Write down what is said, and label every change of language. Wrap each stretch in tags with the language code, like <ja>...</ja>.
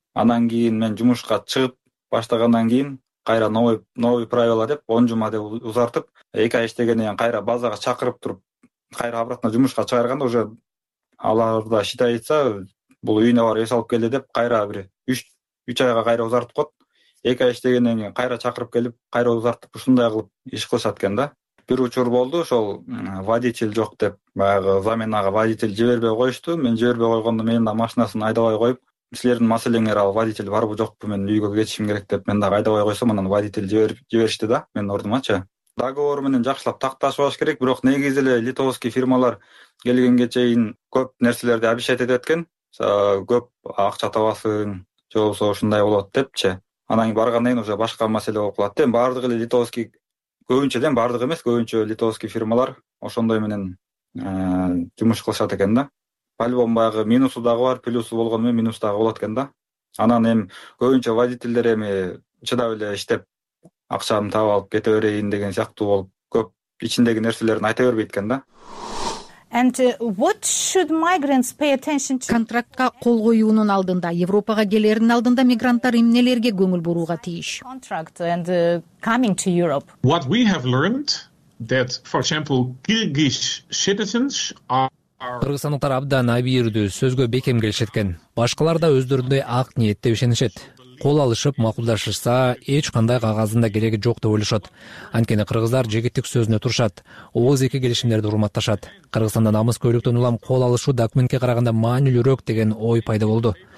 <ky>Анан кийин мен жумушка чыгып баштагандан кийин кайра новый правила деп 10 жума деп узартып 2 ай иштегенден кийин кайра базага чакырып туруп кайра обратно жумушка чыгарганда уже аларда считается бул үйүнө барып эс алып келди деп кайра бир 3 айга кайра узартып коет. 2 ай иштегенден кийин кайра чакырып келип кайра узартып ушундай кылып иш кылышат экен да. Бир учур болду, ошол водитель жок деп баягы заменага водитель жибербей коюшту. Мен жибербей койгондо менин да машинасын айдабай коюп, силердин маселеңер ал водитель барбы жокпу, мен үйгө кетишим керек деп мен дагы айдабай койсом анан водитель жиберишти да менин ордумачы. Договор менен жакшылап такташпаш керек, бирок негизи эле литовский фирмалар келгенге чейин көп нерселерди обещать этет экен, көп акча табасың же болбосо ушундай болот депчи. Анан кийин баргандан кийин уже башка маселе болуп калат да. Эми баардыгы эле литовский, көбүнчө дем баардык эмес, көбүнчө литовский фирмалар ошондой менен жумуш кылышат экен да. По-любому баягы минусу дагы бар, плюсу болгону менен минус дагы болот экен да. Анан эми көбүнчө водительдер эми чыдап эле иштеп акчамды таап алып кете берейин деген сыяктуу болуп көп ичиндеги нерселерин айта бербейт экен да.</ky> <en>And what should migrants pay attention to?</en> <ky>Контрактка кол коюунун алдында, Европага келердин алдында мигранттар эмнелерге көңүл бурууга тийиш?</ky> <en>Contract and coming to Europe. What we have learned that for example Kyrgyz citizens are</en> <ky>Кыргызстандыктар абдан абийирдүү, сөзгө бекем келишет экен. Башкалар да өздөрүндөй ак ниетте ишенишет. Кол алышып макулдашышса эч кандай кагаздын да кереги жок деп ойлошот. Анткени кыргыздар жегиттик сөзүнө турушат, ооз эки келишимдерди урматташат. Кыргызстанда намыс көйлөктөн улам кол алышуу документке караганда маанилүүрөөк деген ой пайда болду.</ky>